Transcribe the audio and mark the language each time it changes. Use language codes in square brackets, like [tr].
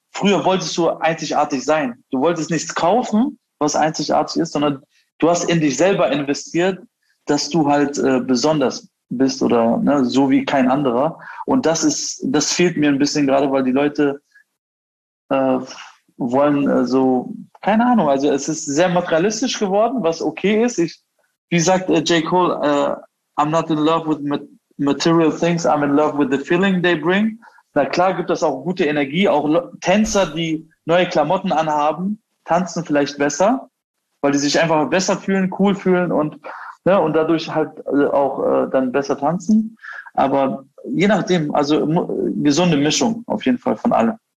[de] Früher wolltest du einzigartig sein. Du wolltest nichts kaufen, was einzigartig ist, sondern du hast in dich selber investiert, dass du halt besonders bist oder ne, so wie kein anderer. Und das fehlt mir ein bisschen gerade, weil die Leute wollen so, also, keine Ahnung, also es ist sehr materialistisch geworden, was okay ist. Wie sagt J. [en] Cole, I'm not in love with material things, I'm in love with the feeling they bring. [de] Na klar gibt das auch gute Energie, auch Tänzer, die neue Klamotten anhaben, tanzen vielleicht besser, weil die sich einfach besser fühlen, cool fühlen und, ne, und dadurch halt auch dann besser tanzen. Aber je nachdem, also gesunde Mischung auf jeden Fall von allem.